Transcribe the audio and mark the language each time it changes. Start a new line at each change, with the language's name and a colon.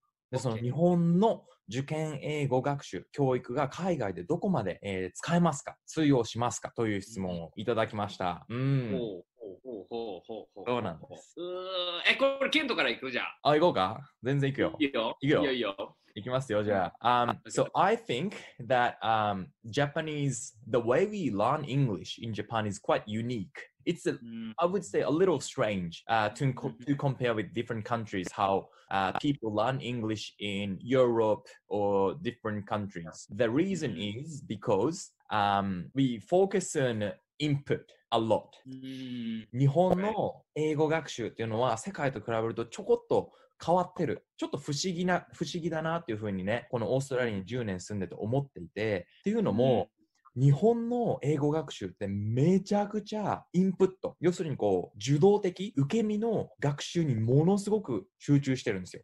Japanese: で、その日本の受験英語学習、教育が海外でどこまで、使えますか、通用しますかという質問をいただきました。ほうほうほうほう。どうなんです？これ、ケントから行くじゃん。あ、行こうか。全然行くよ。いいよ。行きますよ、じゃあ。
English: So, I think that, Japanese, the way we learn English in Japan is quite unique. It's, I would say, a little strange, to compare with different countries, how, people learn English in Europe or different countries. The reason is because, we focus on input. A lot.
Japanese: 日本の英語学習っていうのは世界と比べるとちょこっと変わってる。ちょっと不思議だなっていうふうにね、このオーストラリアに10年住んでて思っていて、っていうのも、日本の英語学習ってめちゃくちゃインプット、要するにこう受動的受け身の学習にものすごく集中してるんですよ。